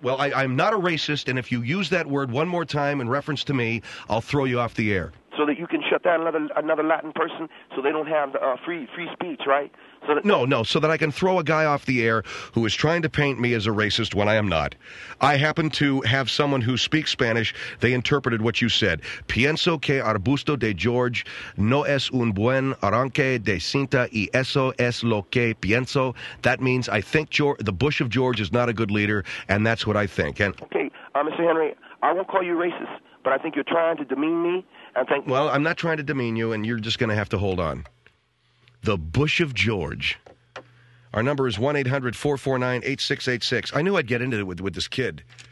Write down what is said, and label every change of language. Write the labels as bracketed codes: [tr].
[en] Well, I'm not a racist, and if you use that word one more time in reference to me, I'll throw you off the air. so that you can shut down another Latin person, so they don't have free speech, right? So that, no. So that I can throw a guy off the air who is trying to paint me as a racist when I am not. I happen to have someone who speaks Spanish. They interpreted what you said. [es] Pienso que Arbusto de George no es un buen arranque de cinta y eso es lo que pienso. [en] That means I think the Bush of George is not a good leader, and that's what I think. And okay, Mr. Henry, I won't call you racist, but I think you're trying to demean me. Well, I'm not trying to demean you, and you're just going to have to hold on. The Bush of George. Our number is 1-800-449-8686. I knew I'd get into it with this kid.